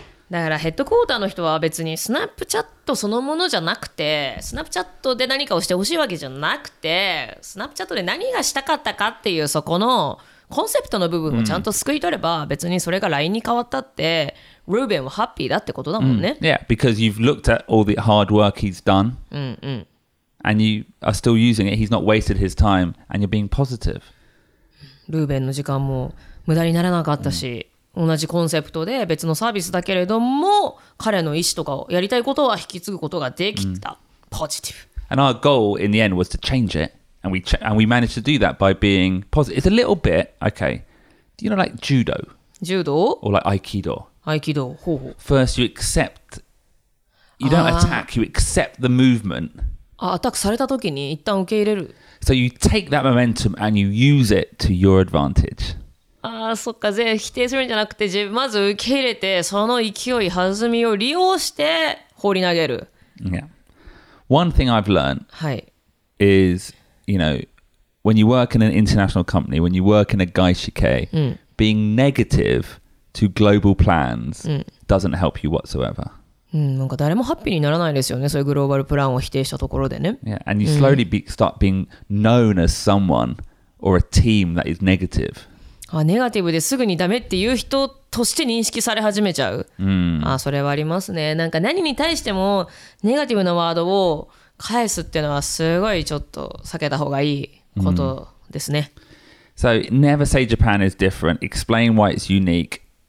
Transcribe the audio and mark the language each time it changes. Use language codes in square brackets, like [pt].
[ja] だからヘッドクォーターの人は別にスナップチャットそのものじゃなくて、スナップチャットで何かをしてほしいわけじゃなくて、スナップチャットで何がしたかったかっていうそこのコンセプトの部分をちゃんと救い取れば、別にそれが LINE に変わったって、Ruben はハッピーだってことだもんね。 [en] Yeah, because you've looked at all the hard work he's done, and you are still using it. He's not wasted his time, and you're being positive. [ja] Ruben の時間も無駄にならなかったし、同じコンセプトで別のサービスだけれども、彼の意思とかをやりたいことは引き継ぐことができた。ポジティブ。 [en] And our goal in the end was to change it. And we managed to do that by being positive. It's a little bit, okay. Do you know like judo? Judo? Or like aikido? [ja] Aikido, ほうほう。 [en] First you accept, you don't attack, you accept the movement. [ja] アタックされた時に一旦受け入れる。 [en] So you take that momentum and you use it to your advantage. [ja] ああ、そっか、全否定するんじゃなくて、まず受け入れて、その勢い、弾みを利用して、放り投げる。 [en] Yeah. One thing I've learned、 [ja] はい、 [en] is, you know, when you work in an international company, when you work in a gaishike,、 [ja] うん、 [en] being negative to global plans、うん、doesn't help you whatsoever.、 [ja] うん、なんか誰もハッピーにならないですよね、そういうグローバルプランを否定したところでね。 [en] Yeah. And you slowly be,、うん、start being known as someone or a team that is negative. [ja] あ、ネガティブですぐにダメっていう人として認識され始めちゃう。あ、それはありますね。なんか何に対してもネガティブなワードを返すっていうのはすごいちょっと避けた方がいいことですね。 [en] So, never say Japan is different. Explain why it's unique.